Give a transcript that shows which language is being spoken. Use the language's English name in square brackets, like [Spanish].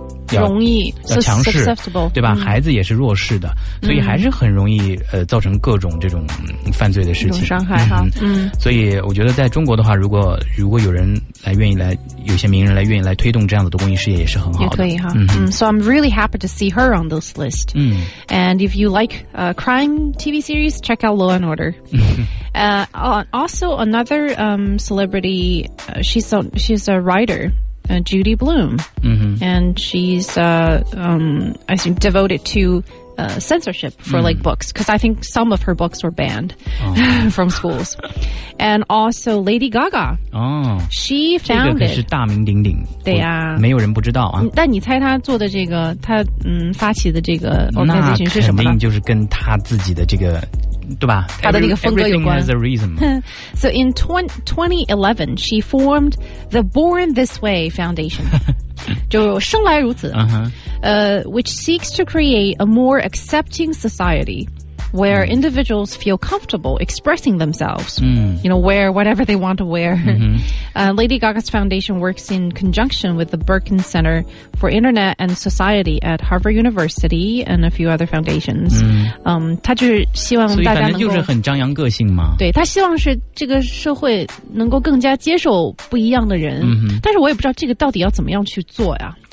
[Chinese] 容易要强势，对吧？孩子也是弱势的，所以还是很容易造成各种这种犯罪的事情，伤害哈。所以我觉得在中国的话，如果有人来愿意来，有些名人来愿意来推动这样的公益事业，也是很好的，也可以哈。 [English] So I'm really happy to see her on this list. And if you like a crime TV series, check out Law and Order. also another celebrity, she's a writer. Judy Blume, and she's, I think, devoted to censorship for, like, books, because I think some of her books were banned from schools. And also Lady Gaga. She founded... [Chinese] 这个可是大名鼎鼎。对啊。没有人不知道啊。但你猜她做的这个,她发起的这个 organization 是什么呢？肯定就是跟她自己的这个对吧？他的那个风格有关。 [English] Everything has a reason. So in 2011, she formed the Born This Way Foundation. [Chinese] 就生来如此。 [English] Which seeks to create a more accepting society. where individuals feel comfortable expressing themselves, you know, wear whatever they want to wear. Lady Gaga's foundation works in conjunction with the Birkin Center for Internet and Society at Harvard University and a few other foundations. [Chinese] 他就是希望大家能够，所以反正就是很张扬个性嘛。对，他希望是这个社会能够更加接受不一样的人。但是我也不知道这个到底要怎么样去做呀。